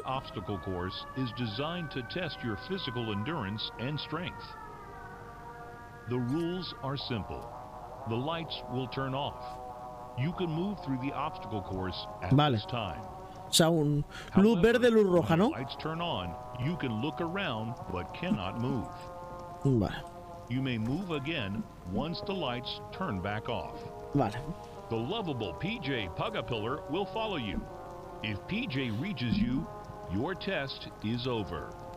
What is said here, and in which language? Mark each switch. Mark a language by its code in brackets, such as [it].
[en] Obstacle course is designed to test your physical endurance and strength. The rules are simple. The lights will turn off. You can move through the obstacle course at this time. [es] O sea, un luz verde, luz roja, ¿no? [en] Lights turn on, you can look around but cannot move. Vale. You may move again once the lights turn back off. Vale. The lovable PJ Pugapillar will follow you. If PJ reaches you, your test is over.